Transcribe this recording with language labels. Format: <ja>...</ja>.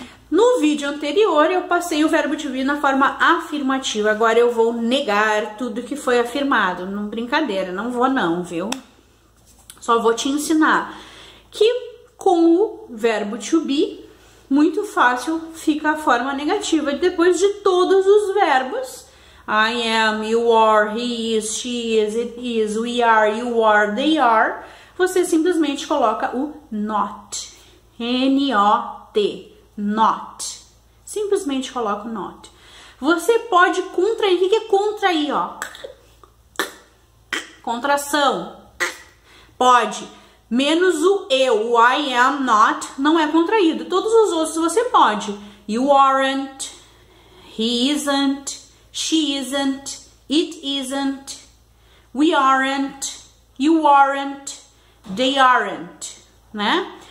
<pt>No vídeo anterior, eu passei o verbo to be na forma afirmativa, agora eu vou negar tudo que foi afirmado. Não, brincadeira, não vou não, viu? Só vou te ensinar que com o verbo to be, muito fácil fica a forma negativa depois de todos os verbos.</pt> <en>I am, you are, he is, she is, it is, we are, you are, they are.</en> <pt>Você simplesmente coloca o not. N-O-T. Not. Simplesmente coloca o not. Você pode contrair. O que é contrair, ó? Contração. Pode. Menos o eu, o I am not, não é contraído. Todos os outros você pode.</pt> <en>You aren't, he isn't, she isn't, it isn't, we aren't, you aren't, they aren't, né?</en>